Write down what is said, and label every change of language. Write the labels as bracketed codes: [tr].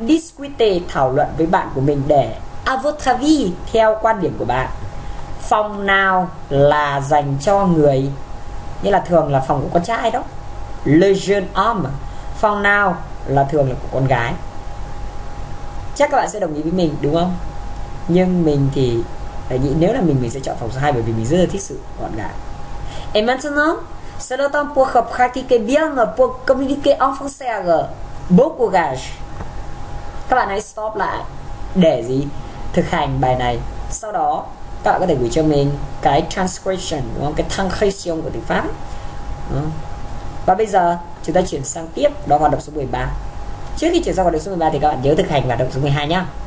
[vi] Discute, thảo luận với bạn của mình để [fr] à votre avis, [vi] theo quan điểm của bạn, phòng nào là dành cho người, như là thường là phòng của con trai đó, [fr] le jeune homme, [vi] phòng nào là thường là của con gái. Chắc các bạn sẽ đồng ý với mình đúng không? Nhưng mình thì phải nghĩ nếu là mình sẽ chọn phòng số 2 bởi vì mình rất là thích sự gọn gàng. [fr] Et maintenant, c'est le temps pour pratiquer bien pour communiquer en français. Bon courage. [vi] Các bạn hãy stop lại để gì? Thực hành bài này. Sau đó, các bạn có thể gửi cho mình cái transcription, đúng không? Cái transcription của tiếng Pháp. Và bây giờ, chúng ta chuyển sang tiếp đó hoạt động số 13. Trước khi chuyển sang hoạt động số 13 thì các bạn nhớ thực hành hoạt động số 12 nhé.